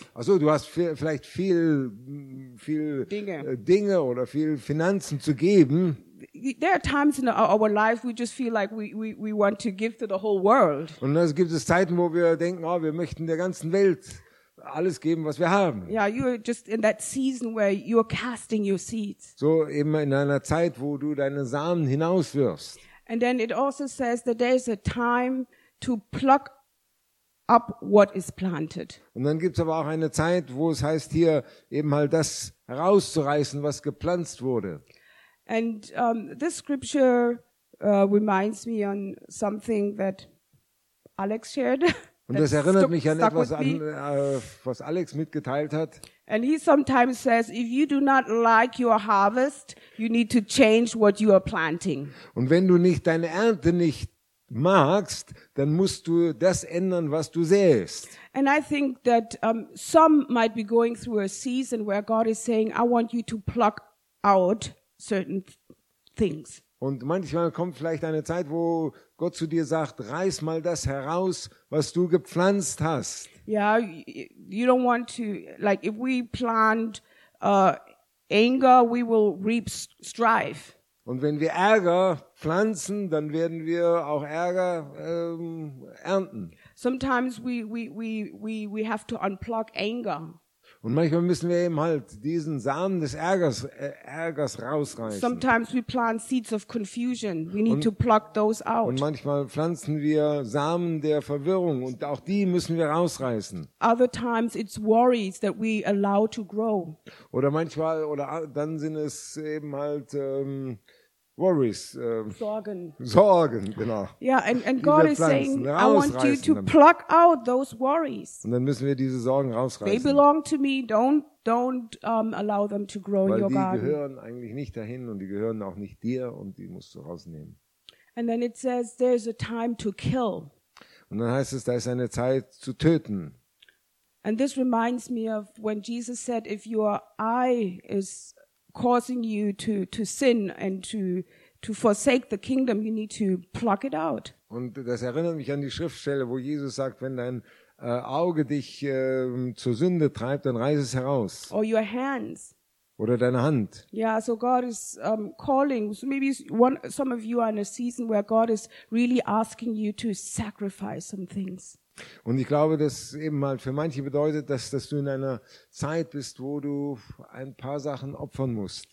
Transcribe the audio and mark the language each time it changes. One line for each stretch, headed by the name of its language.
German: Also, du hast vielleicht viel Dinge oder viel Finanzen zu geben.
English: There are times in our life we just feel like we want to give to the whole world.
German: Und es gibt es Zeiten, wo wir denken, oh, wir möchten der ganzen Welt alles geben, was wir haben.
English: Yeah, you are just in that season where you are casting your seeds.
German: So eben in einer Zeit, wo du deine Samen hinauswirfst.
English: And then it also says that there is a time to pluck up what is planted.
German: Und dann gibt's aber auch eine Zeit, wo es heißt hier eben halt das herauszureißen, was gepflanzt wurde.
English: And this scripture reminds me on something that Alex shared.
German: Und das erinnert mich an etwas, was Alex mitgeteilt hat.
English: And he sometimes says, if you do not like your harvest, you need to change what you are planting.
German: Und wenn du nicht deine Ernte nicht magst, dann musst du das ändern, was du säst.
English: And I think that some might be going through a season where God is saying, I want you to pluck out certain things.
German: Und manchmal kommt vielleicht eine Zeit, wo Gott zu dir sagt, reiß mal das heraus, was du gepflanzt hast.
English: Yeah, you don't want to, like if we plant anger, we will reap strife.
German: Und wenn wir Ärger pflanzen, dann werden wir auch Ärger ernten.
English: Sometimes we have to unplug anger.
German: Und manchmal müssen wir eben halt diesen Samen des Ärgers rausreißen.
English: Sometimes we plant seeds of confusion. We need to pluck those out.
German: Und manchmal pflanzen wir Samen der Verwirrung und auch die müssen wir rausreißen.
English: Other times it's worries that we allow to grow.
German: Oder dann sind es eben halt worries. Sorgen. Sorgen, genau.
English: Yeah, and God is saying, I want you to pluck out those worries.
German: Und dann müssen wir diese Sorgen rausreißen.
English: They belong to me. Don't allow them to grow in your garden.
German: Weil die gehören eigentlich nicht dahin und die gehören auch nicht dir und die musst du rausnehmen.
English: And then it says, there's a time to kill.
German: Und dann heißt es, da ist eine Zeit zu töten.
English: And this reminds me of when Jesus said, if your eye is causing you to sin and to forsake the kingdom, you need to pluck it out.
German: Und das erinnert mich an die Schriftstelle, wo Jesus sagt, wenn dein Auge dich zur Sünde treibt, dann reiß es heraus.
English: Or your hands.
German: Oder deine Hand.
English: Yeah, so God is calling. So maybe some of you are in a season where God is really asking you to sacrifice some things.
German: Und ich glaube, dass eben mal für manche bedeutet, dass du in einer Zeit bist, wo du ein paar Sachen opfern musst.